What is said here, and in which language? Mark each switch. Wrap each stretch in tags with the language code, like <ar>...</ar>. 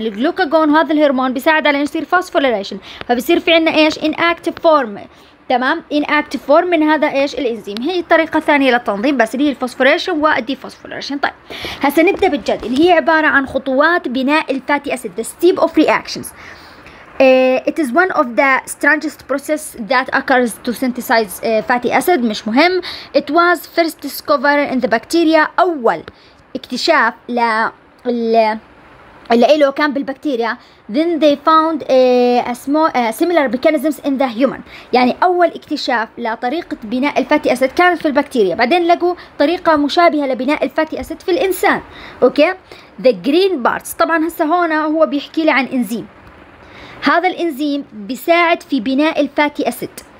<ar>الجلوكاجون هذا الهرمون بيساعد على يصير فوسفوليريشن، فبصير في عندنا ايش؟ ان اكتف فورم. تمام، ان اكتف فورم من هذا ايش؟ الانزيم. هي طريقه ثانيه للتنظيم بس اللي هي الفوسفوريشن والديفوسفوريشن. طيب هسه نبدا بالجد، اللي هي عباره عن خطوات بناء الفاتي اسيد،</ar> <en>Step of reactions. It is one of the strangest process that occurs to synthesize fatty acid.</en> <ar>مش مهم.</ar> <en>It was first discovered in the bacteria.</en> <ar>أول اكتشاف ل اللي له كان بالبكتيريا.</ar> <en>Then they found similar mechanisms in the human.</en> <ar>يعني أول اكتشاف لطريقة بناء الفاتي أسيد كانت في البكتيريا. بعدين لقوا طريقة مشابهة لبناء الفاتي أسيد في الإنسان.</ar> <en>Okay. The green parts.</en> <ar>طبعا هسه هنا هو بيحكي لي عن إنزيم. هذا الإنزيم بيساعد في بناء الفاتي أسيد.</ar>